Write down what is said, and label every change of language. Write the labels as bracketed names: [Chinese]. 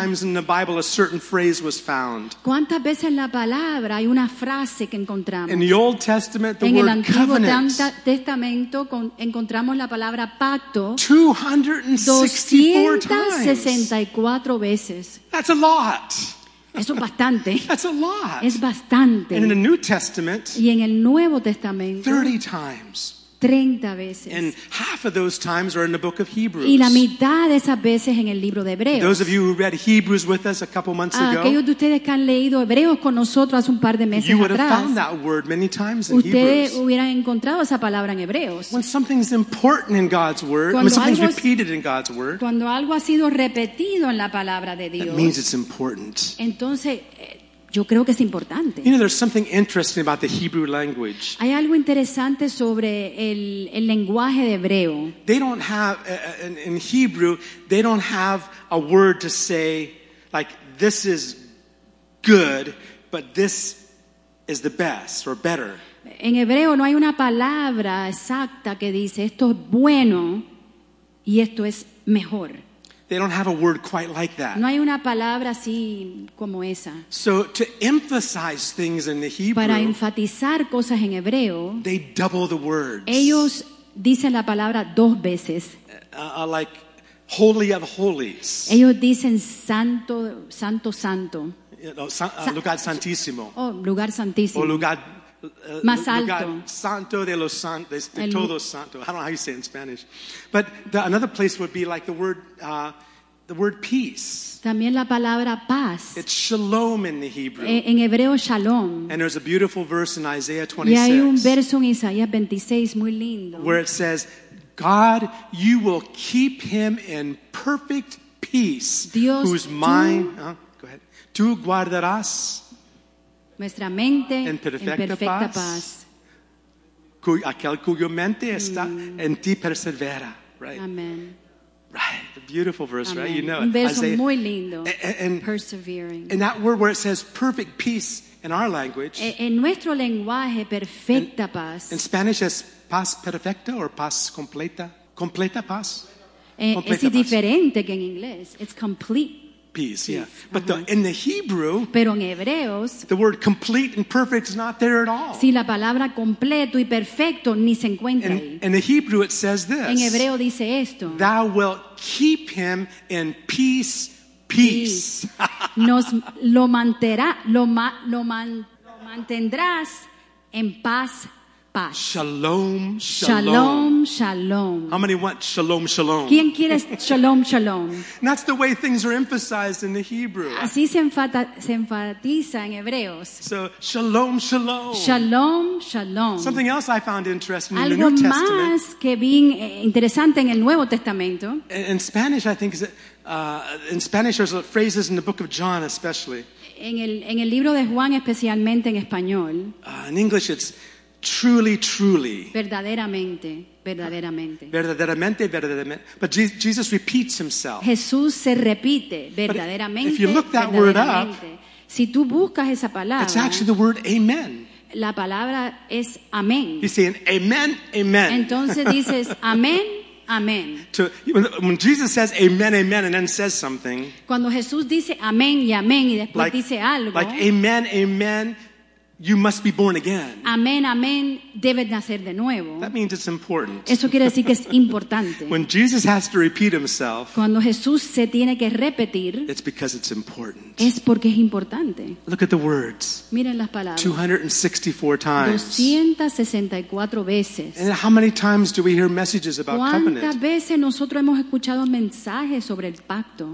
[English] Times in the Bible a certain phrase was found? [Spanish] ¿Cuántas veces en la palabra hay una frase que encontramos? [English] In the Old Testament, the [Spanish] en [English] word [Spanish] el Antiguo [English] covenant, [Spanish] Testamento encontramos la palabra pacto 264 veces. [English] That's a lot. [Spanish] Eso es bastante. [English] That's a lot. [Spanish] Es bastante. [English] And in the New Testament, [Spanish] y en el Nuevo Testamento, [English] 30 times. [Spanish] 30 veces. [English] And half of those times are in the book of Hebrews. [Spanish] Y la mitad de esas veces en el libro de Hebreos. [English] Those of you who read Hebrews with us a couple months ago. [Spanish] Aquellos de ustedes que han leído Hebreos con nosotros hace un par de meses [English] you would [Spanish] atrás. [English] Have found that word many times in [Spanish] ustedes [English] Hebrews. [Spanish] Hubieran encontrado esa palabra en Hebreos. [English] When something's important in God's word, [Spanish] cuando [English] when something's repeated in God's word. [Spanish] Cuando algo ha sido repetido en la palabra de Dios. [English] That means it's important. [Spanish] Entonces yo creo que es importante. [English] You know, there's something interesting about the Hebrew language. [Spanish] Hay algo interesante sobre el lenguaje de hebreo. [English] They don't have in Hebrew, they don't have a word to say like this is good, but this is the best or better. [Spanish] En hebreo no hay una palabra exacta que dice esto es bueno y esto es mejor. [English] They don't have a word quite like that. [Spanish] No hay una palabra así como esa. [English] So to emphasize things in the Hebrew, [Spanish] para enfatizar cosas en hebreo, [English] they double the words. [Spanish] Ellos dicen la palabra dos veces. [English] Like holy of holies. [Spanish] Ellos dicen santo, santo, santo. Lugar santísimo. Oh, lugar santísimo. O lugar más alto. Lugar santo de los santos, de todos santos. [English] I don't know how you say it in Spanish. But another place would be like the word peace. [Spanish] También la palabra paz. [English] It's shalom in the Hebrew. [Spanish] En hebreo, shalom. [English] And there's a beautiful verse in Isaiah 26. [Spanish] Y hay un verso en Isaías 26 muy lindo. [English] Where it says, God, you will keep him in perfect peace. [Spanish] Dios, [English] whose mind... go ahead. [Spanish] Tú guardarás... nuestra mente en perfecta paz. Aquel cuyo mente está en ti persevera. [English] Right? Amen. Right. A beautiful verse, amen. Right? You know [Spanish] it. Un verso Isaiah. Muy lindo. [English] And persevering. And that word where it says perfect peace in our language. [Spanish] En nuestro lenguaje, perfecta paz. [English] In Spanish [Spanish] es paz perfecta or paz completa. Completa paz. Es diferente que en inglés. [English] It's complete. Peace, yeah. But in the Hebrew, [Spanish] pero en Hebreos, [English] the word complete and perfect is not there at all. [Spanish] Si la palabra completo y perfecto ni se encuentra ahí. [English] In the Hebrew, it says this. [Spanish] En hebreo dice esto. [English] Thou wilt keep him in peace, peace. [Spanish] Nos lo mantendrá, lo mantendrás en paz, paz. [English] Shalom, shalom, shalom, shalom. How many want shalom, shalom? [Spanish] ¿Quién quiere shalom, shalom? [English] That's the way things are emphasized in the Hebrew. [Spanish] Así se enfatiza en Hebreos. [English] So, shalom, shalom. [Spanish] Shalom, shalom. [English] Something else I found interesting [Spanish] algo [English] in the New Testament. [Spanish] Algo más que bien interesante en el Nuevo Testamento. [English] In Spanish, I think, in Spanish there's phrases in the book of John especially. [Spanish] En el libro de Juan, especialmente en español. [English] In English, it's truly, truly. [Spanish] Verdaderamente, verdaderamente. Verdaderamente, verdaderamente. [English] But Jesus repeats himself. [Spanish] Jesús se repite, verdaderamente. [English] But if you look that word up, [Spanish] si tú buscas esa palabra, [English] it's actually the word amen. [Spanish] La palabra es amén. [English] He's saying amen, amen. [Spanish] Entonces dices amén, amén. [English] When Jesus says amen, amen, and then says something. [Spanish] Cuando Jesús dice amén y amén y después like, dice algo. [English] Like amen, amen. You must be born again. [Spanish] Amén, amén, debes nacer de nuevo. [English] That means it's important. [Spanish] Eso quiere decir que es importante. [English] When Jesus has to repeat himself, [Spanish] cuando Jesús se tiene que repetir, [English] it's because it's important. [Spanish] Es porque es importante. [English] Look at the words. [Spanish] Miren las palabras. [English] 264 times. [Spanish] 264 veces. [English] And how many times do we hear messages about [Spanish] ¿cuántas [English] covenant? [Spanish] ¿Cuántas veces nosotros hemos escuchado mensajes sobre el pacto?